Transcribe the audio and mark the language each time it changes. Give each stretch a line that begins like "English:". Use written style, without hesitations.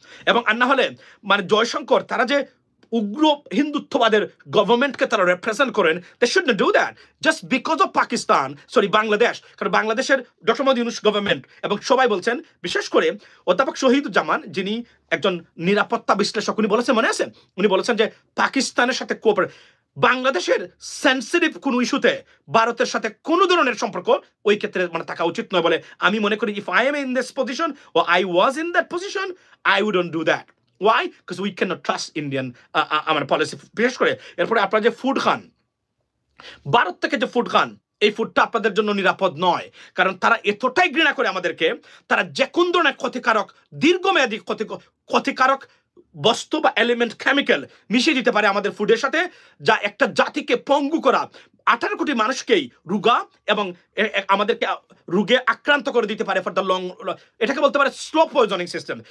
Bangla: এবং আর না হলে মানে জয়শঙ্কর, তারা যে উগ্র হিন্দুত্ববাদের গভর্নমেন্টকে তারা রেপ্রেজেন্ট করেন,
English: they should not do that just because of Pakistan,
Bangla: sorry Bangladesh, কারণ বাংলাদেশের ডক্টর মোহাম্মদ ইউনুস গভর্নমেন্ট এবং সবাই বলছেন, বিশেষ করে অধ্যাপক শহীদুজ্জামান যিনি একজন নিরাপত্তা বিশ্লেষক, উনি বলেছেন, মনে আছে, উনি বলেছেন যে পাকিস্তানের সাথে কোঅপারেট, বাংলাদেশের সেন্সিটিভ কোনো ইস্যুতে ভারতের সাথে কোনো ধরনের সম্পর্ক ওই ক্ষেত্রে মানে থাকা উচিত নয় বলে আমি মনে করি।
English: If I am in this position or I was in that position, I wouldn't do that. Why? Because we cannot trust Indian policy.
Bangla: বিশেষ করে এরপরে আপনারা যে ফুড খান, ভারত থেকে যে ফুড খান, এই ফুডটা আপনাদের জন্য নিরাপদ নয়, কারণ তারা এতটাই ঘৃণা করে আমাদেরকে, তারা যে কোন ধরনের ক্ষতিকারক, দীর্ঘমেয়াদী ক্ষতিকারক বস্তু বা এলিমেন্ট কেমিক্যাল মিশিয়ে দিতে পারে আমাদের ফুডের সাথে, যা একটা জাতিকে পঙ্গু করা, 18 কোটি মানুষকেই রোগা এবং আমাদেরকে রোগে আক্রান্ত করে দিতে পারে
English: for the long,
Bangla: এটাকে বলতে পারে স্লো পয়জনিং সিস্টেম।